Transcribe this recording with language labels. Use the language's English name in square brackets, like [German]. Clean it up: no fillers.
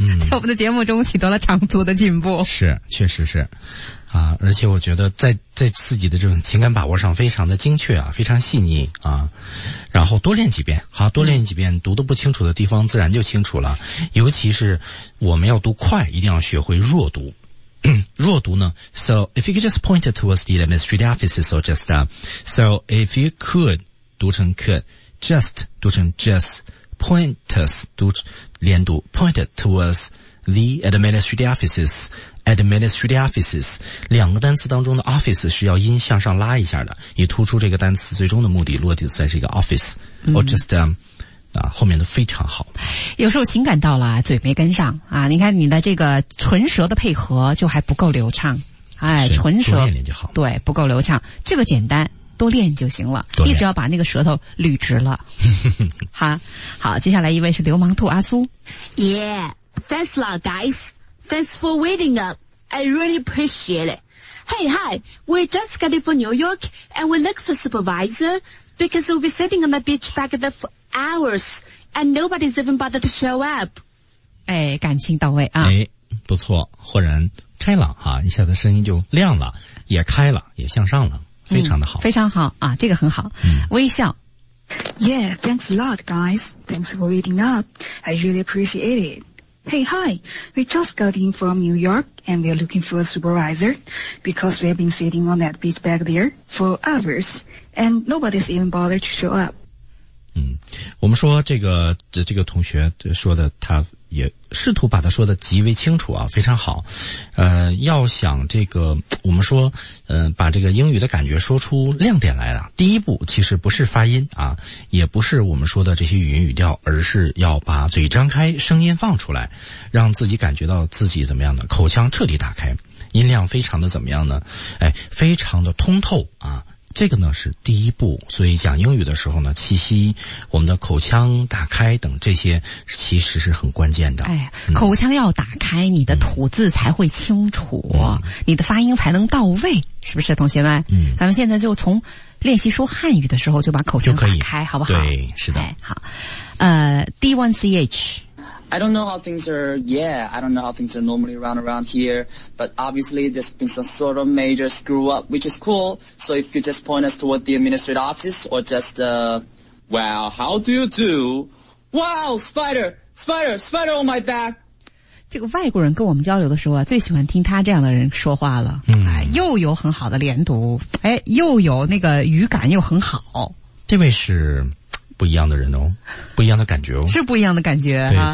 [Chinese] 在我们的节目中取得了长足的进步。是，确实是。啊，而且我觉得在自己的这种情感把握上非常的精确啊，非常细腻啊，然后多练几遍，好，多练几遍，读得不清楚的地方自然就清楚了。尤其是我们要读快，一定要学会弱读。弱读呢 [English] ，So if you could just point it towards the ministry offices or just so if you could [Chinese] 读成 just 读成 [English] just pointers [Chinese] 读连读 [English] pointed towards the administrative offices [Chinese] administrative offices 两个单词当中的 office 是要音向上拉一下的，以突出这个单词最终的目的，落地在这个 office、嗯、 [English] or just、 [Chinese] 后面的非常好。有时候情感到了嘴没跟上啊，你看你的这个唇舌的配合就还不够流畅，哎，唇舌多练练就好，对，不够流畅，这个简单，多练就行了，一直要把那个舌头捋直了。好，接下来一位是流氓兔阿苏。 [English] Thanks a lot guys, thanks for waiting up, I really appreciate it. Hey, hi, we just got it from New York and we look for supervisor because we'll be sitting on the beach back there for hours and nobody's even bothered to show up. [Chinese] 哎，感情到位啊。哎，不错，豁然开朗哈，一下子声音就亮了，也开了，也向上了，非常的好。嗯、非常好啊，这个很好。嗯、微笑。 [English] Yeah, thanks a lot guys, thanks for waiting up, I really appreciate it. Hey, hi, we just got in from New York and we're looking for a supervisor because we've been sitting on that beach back there for hours and nobody's even bothered to show up. [Chinese] 嗯，我们说这个同学说的，他也试图把他说的极为清楚啊，非常好。要想这个，我们说，把这个英语的感觉说出亮点来了，第一步其实不是发音啊，也不是我们说的这些语音语调，而是要把嘴张开，声音放出来，让自己感觉到自己怎么样的，口腔彻底打开，音量非常的怎么样呢？哎，非常的通透啊。这个呢是第一步，所以讲英语的时候呢，气息、我们的口腔打开等这些其实是很关键的。哎，口腔要打开，你的吐字才会清楚、你的发音才能到位，是不是同学们？嗯，咱们现在就从练习说汉语的时候就把口腔打开，好不好？对，是的。哎、好，D1CH。 [English] I don't know how things are, yeah, I don't know how things are normally around here, but obviously there's been some sort of major screw up, which is cool, so if you just point us toward the administrative office, or just, well, how do you do? Wow, spider on my back! [Chinese] 这个外国人跟我们交流的时候啊，最喜欢听他这样的人说话了，嗯，哎，又有很好的连读，哎，又有那个语感又很好。这位是不一样的人哦，不一样的感觉哦，是不一样的感觉、啊、